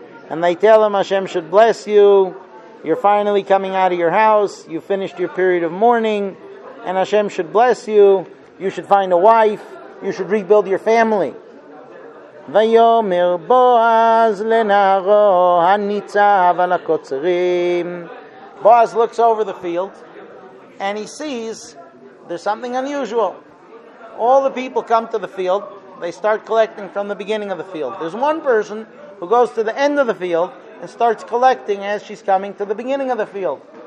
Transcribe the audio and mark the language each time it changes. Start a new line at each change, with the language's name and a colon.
English: And they tell him Hashem should bless you. You're finally coming out of your house. You finished your period of mourning. And Hashem should bless you. You should find a wife. You should rebuild your family.
Hebrew: ויאמר בועז לנערו הניצב על הקוצרים.
English: Boaz looks over the field and he sees there's something unusual. All the people come to the field, they start collecting from the beginning of the field. There's one person who goes to the end of the field and starts collecting as she's coming to the beginning of the field.